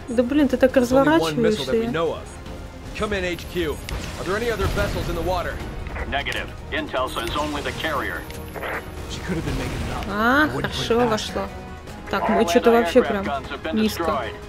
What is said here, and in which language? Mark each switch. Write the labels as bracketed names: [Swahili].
[Russian] Да блин, ты так разворачиваешься. [English] Come in HQ. Are there any other vessels in the water? Negative. Intel says only the carrier. She could have been making it up. [Russian] А, хорошо вошло. Так, мы что-то вообще прям низко.